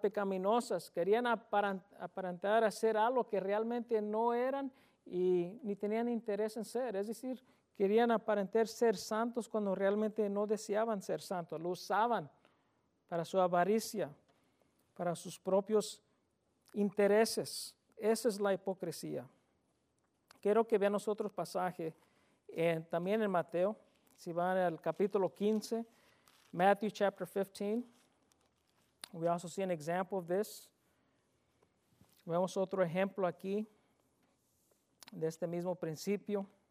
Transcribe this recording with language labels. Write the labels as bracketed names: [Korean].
[Spanish] Pecaminosas, querían aparentar hacer algo que realmente no eran y ni tenían interés en ser, es decir, querían aparentar ser santos cuando realmente no deseaban ser santos, lo usaban para su avaricia, para sus propios intereses. Esa es la hipocresía. Quiero que vean otro pasaje, también en Mateo, si van al capítulo 15, [English] Matthew chapter 15. We also see an example of this. [Spanish] Vemos otro ejemplo aquí de este mismo principio.